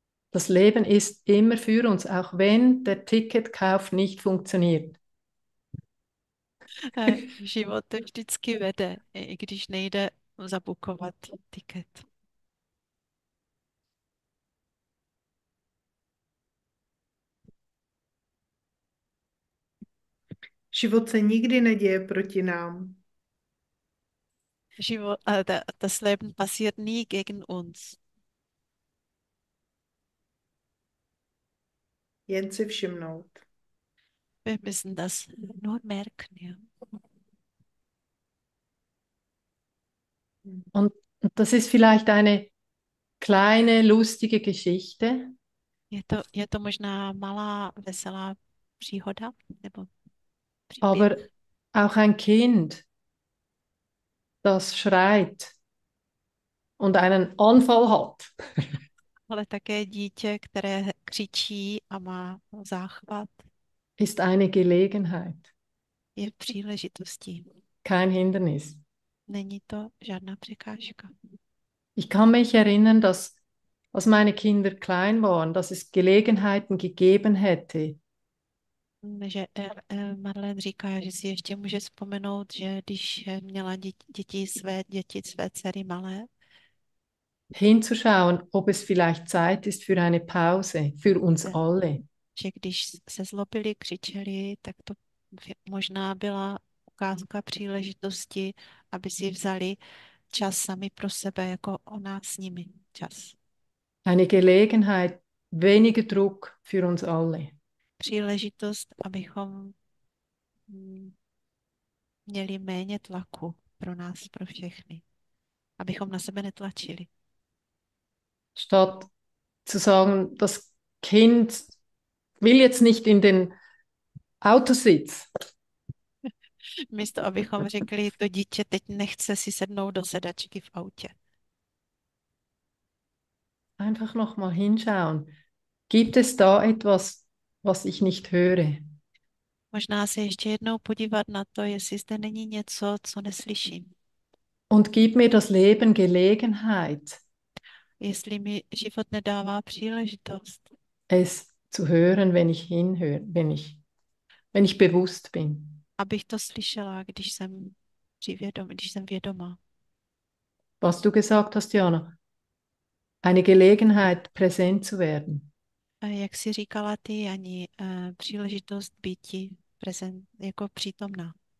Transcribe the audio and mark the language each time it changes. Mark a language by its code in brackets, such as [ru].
[de] Das Leben ist immer für uns, auch wenn der Ticketkauf nicht funktioniert. [cs] Život vždycky vede, i když nejde zabukovat tiket. Život se nikdy neděje proti nám. [de] Život, das Leben passiert nie gegen uns. [cs] Jen si všimnout. [de] Wir müssen das nur merken, ja. Und das ist vielleicht eine kleine lustige Geschichte. [cs] Je to možná malá veselá příhoda nebo příběh. [de] Aber auch ein Kind, das schreit und einen Anfall hat. [cs] Ale také dítě, které křičí a má záchvat, [de] Ist eine Gelegenheit, [cs] je příležitostí. [de] kein Hindernis. [cs] Není to žádná překážka. [de] Ich kann mich erinnern, dass als meine Kinder klein waren, dass es Gelegenheiten gegeben hätte. [cs] Že Madeleine říká, že si ještě může vzpomenout, že když měla své dcery malé, [de] Hinzuschauen, ob es vielleicht Zeit ist für eine Pause, für uns alle. [cs] že když se zlobili, křičeli, tak to možná byla ukázka příležitosti, aby si vzali čas sami pro sebe, jako ona s nimi čas. [de] Eine Gelegenheit, weniger Druck für uns alle. [cs] Příležitost, abychom měli méně tlaku pro nás, pro všechny. Abychom na sebe netlačili. [de] Statt zu sagen, das Kind will jetzt nicht in den Autositz. [cs] Místo, abychom řekli, to dítě teď nechce si sednout do sedačky v autě. [de] Einfach noch mal hinschauen. Gibt es da etwas, was ich nicht höre? [cs] Možná se ještě jednou podívat na to, jestli zde není něco, co neslyším. [de] Und gib mir das Leben Gelegenheit, [cs] Jestli mi život nedává příležitost. [de] es zu hören, wenn ich hinhöre, wenn ich bewusst bin. [cs] Abych to slyšela, když jsem vědomá. [de] Was du gesagt hast, Jana? Eine Gelegenheit, präsent zu werden. [cs] Jak jsi říkala ty, Jani, příležitost býti prezent, jako přítomná.